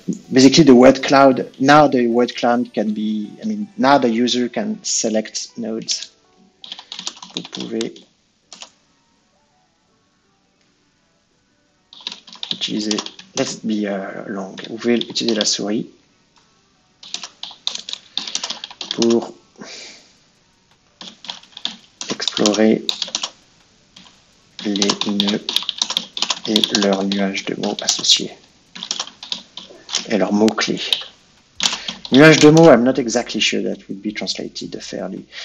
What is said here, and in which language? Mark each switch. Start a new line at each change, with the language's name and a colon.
English: Basically, the word cloud, now the word cloud can be, I mean, now the user can select nodes.
French: Vous pouvez utiliser,
English: let's be long,
French: vous pouvez utiliser la souris pour explorer les nœuds et leurs nuages de mots associés. Et leurs mots-clés. Nuages de mots,
English: I'm not exactly sure that would be translated fairly.